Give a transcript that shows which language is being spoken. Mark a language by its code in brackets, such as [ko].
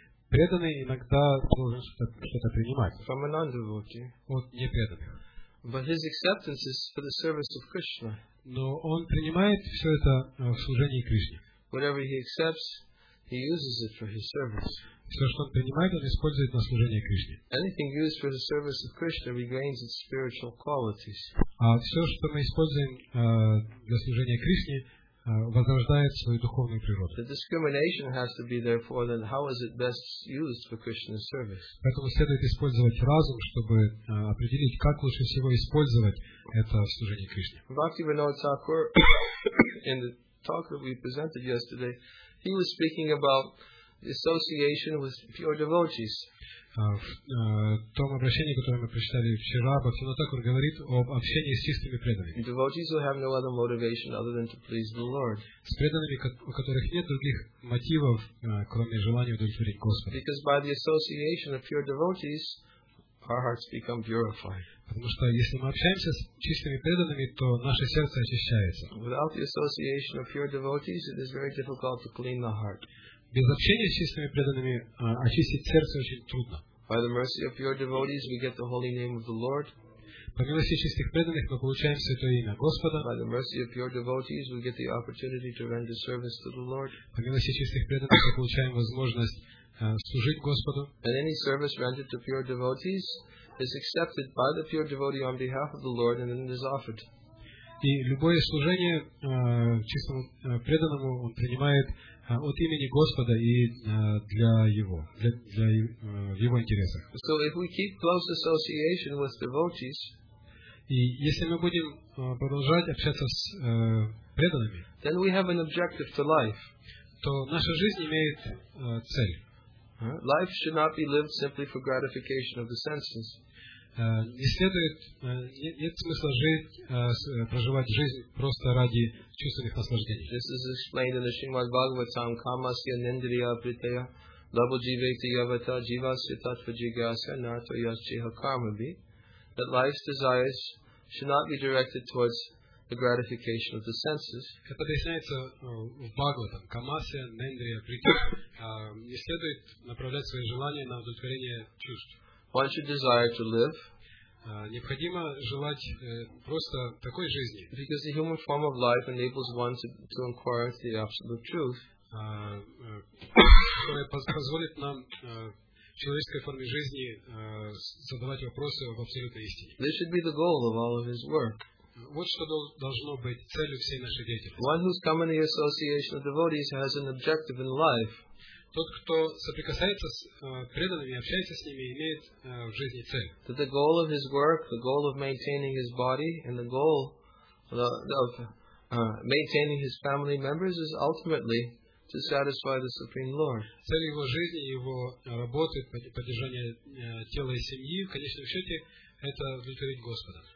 [ru] Преданный иногда должен что-то принимать. [en] From a non-devotee. [ru] От непреданных. [en] But his acceptance is for the service of Krishna. [ru] Но он принимает все это в служении Кришне. [en] Whatever he accepts, he uses it for his service. [ru] Все, что он принимает, он использует на служение Кришне. [en] Anything used for the service of Krishna regains its spiritual qualities. [ru] А все, что мы используем для служения Кришне, возрождает свою духовную природу. [en] The discrimination has to be therefore that how is it best used for Krishna's service. [ru] Поэтому следует использовать разум, чтобы определить, как лучше всего использовать это в служении Кришне. [en] Bhaktivinoda Thakur, in the talk that we presented yesterday, he was speaking about association with pure devotees. [ru] В том обращении, которое мы прочитали вчера, Бхактивинода Тхакур говорит об общении с чистыми преданными. С преданными, у которых нет других мотивов, кроме желания удовлетворить Господа. Потому что если мы общаемся с чистыми преданными, то наше сердце очищается. [en] Without the association of pure devotees, it is very difficult to clean the heart. [ru] Без общения с чистыми преданными очистить сердце очень трудно. [en] By the mercy of pure devotees, we get the holy name of the Lord. [ru] По милости чистых преданных мы получаем святое имя Господа. [en] By the mercy of pure devotees, we get the opportunity to render service to the Lord. [ru] По милости чистых преданных мы получаем возможность служить Господу. [en] And any service rendered to pure devotees is accepted by the pure devotee on behalf of the Lord, and then is offered. [ru] И любое служение чистому преданному он принимает от имени Господа и для его, для в его интересах. [en] So if we keep close association with devotees, [ru] и если мы будем продолжать общаться с преданными, [en] then we have an objective to life. [ru] То наша жизнь имеет цель. [en] Life should not be lived simply for gratification of the senses. [ru] Не следует, нет смысла жить, проживать жизнь просто ради чувственных наслаждений. [en] This is explained in the Srimad Bhagavatam, [sa] Kamasya Nindriya Pritaya, Labo Jivaiti Yavata, Jivasya Tattva Jigasya, Nato Yashchiha Karmabhi, [en] that life's desires should not be directed towards the gratification of the senses. [ru] Это объясняется в Бхагаватам, [sa] Kamasya Nindriya Pritaya. [ru] Не следует направлять свои желания на удовлетворение чувств. [en] One should desire to live. [ru] Необходимо желать просто такой жизни. [en] Because the human form of life enables one to inquire into the absolute truth. [ru] Которая позволит нам в человеческой форме жизни задавать вопросы об абсолютной истине. [en] This should be the goal of all of his work. [ru] Вот что должно быть целью всей нашей деятельности. [en] One who's come in the association of devotees has an objective in life. [ru] Тот, кто соприкасается с преданными, общается с ними, имеет в жизни цель. [en] That the goal of his work, the goal of maintaining his body, and the goal of maintaining his family members is ultimately to satisfy the Supreme Lord. [ru] Цель его жизни, его работы, поддержания тела и семьи, в конечном счете, это удовлетворить Господа.